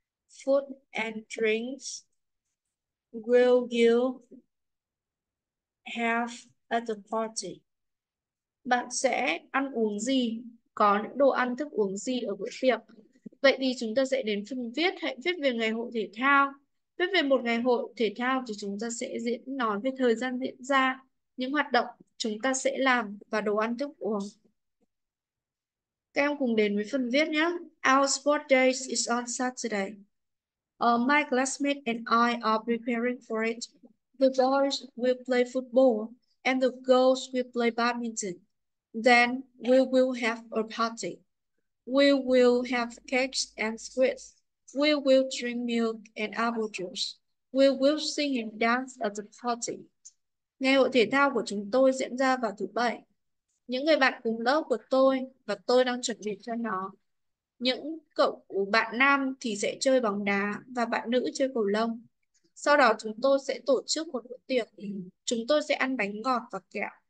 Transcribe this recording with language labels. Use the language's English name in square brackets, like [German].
[English] Food and drinks will you have at the party? [Vietnamese] Bạn sẽ ăn uống gì? Có những đồ ăn thức uống gì ở bữa tiệc? Vậy thì chúng ta sẽ đến phần viết. Hãy viết về ngày hội thể thao. Viết về một ngày hội thể thao thì chúng ta sẽ diễn nói về thời gian diễn ra, những hoạt động chúng ta sẽ làm và đồ ăn thức uống. Các em cùng đến với phần viết nhé. [English] Our sport day is on Saturday. My classmate and I are preparing for it. The boys will play football and the girls will play badminton. Then we will have a party. We will have cakes and sweets. We will drink milk and apple juice. We will sing and dance at the party. [Vietnamese] Ngày hội thể thao của chúng tôi diễn ra vào thứ bảy. Những người bạn cùng lớp của tôi và tôi đang chuẩn bị cho nó. Những cậu bạn nam thì sẽ chơi bóng đá và bạn nữ chơi cầu lông. Sau đó chúng tôi sẽ tổ chức một bữa tiệc. Chúng tôi sẽ ăn bánh ngọt và kẹo.